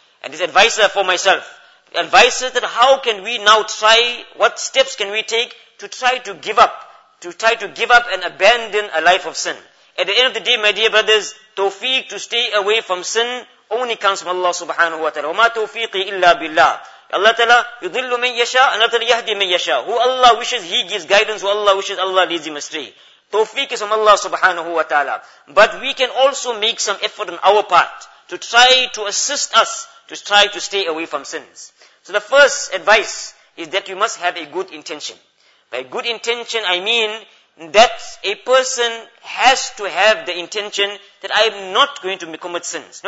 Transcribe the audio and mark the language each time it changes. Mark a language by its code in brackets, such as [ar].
[en] And this advice are for myself. Advice is that how can we now try, what steps can we take to try to give up, and abandon a life of sin. At the end of the day, my dear brothers, tawfiq to stay away from sin only comes from Allah subhanahu wa ta'ala. [ar] وَمَا تَوْفِيقِ إِلَّا بِاللَّهِ Allah ta'ala, يُضِلُّ مَنْ يَشَاءُ أَنَّ تَلَى يَهْدِي مَنْ يَشَاءُ [en] Who Allah wishes, He gives guidance. Who Allah wishes, Allah leads him astray. Tawfiq is from Allah subhanahu wa ta'ala. But we can also make some effort on our part to try to assist us to try to stay away from sins. So the first advice is that you must have a good intention. By good intention, I mean that a person has to have the intention that I am not going to commit sins.